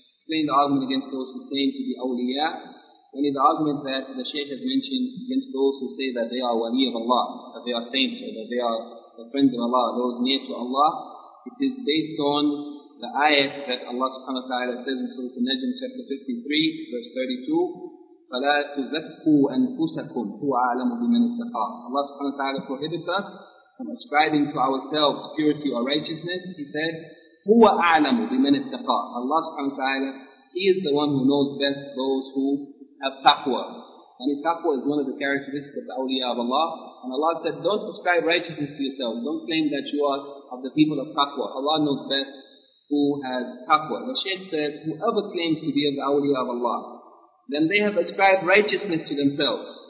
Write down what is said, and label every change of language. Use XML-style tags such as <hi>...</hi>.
<en>Explain the argument against those who claim to be awliya. Only the argument that the Shaykh has mentioned against those who say that they are wali of Allah, that they are saints, or that they are the friends of Allah, those near to Allah, it is based on the ayat that Allah subhanahu wa ta'ala says in Surah An-Najm, chapter 53, verse 32,</en> <ar>فَلَا تُزَكُّوا أَنْفُسَكُمْ هُوَ أَعْلَمُ بِمَنِ اتَّقَىٰ.</ar> <en>Allah subhanahu wa ta'ala prohibits us from ascribing to ourselves purity or righteousness. He said,</en> <ar>هُوَ أَعْلَمُ بِمَنِ اتَّقَىٰ.</ar> <en>Allah subhanahu wa ta'ala, He is the one who knows best those who have taqwa. And taqwa is one of the characteristics of the awliya of Allah. And Allah said, don't ascribe righteousness to yourself. Don't claim that you are of the people of taqwa. Allah knows best who has taqwa. The Shaykh said, whoever claims to be of the awliya of Allah, then they have ascribed righteousness to themselves.</en>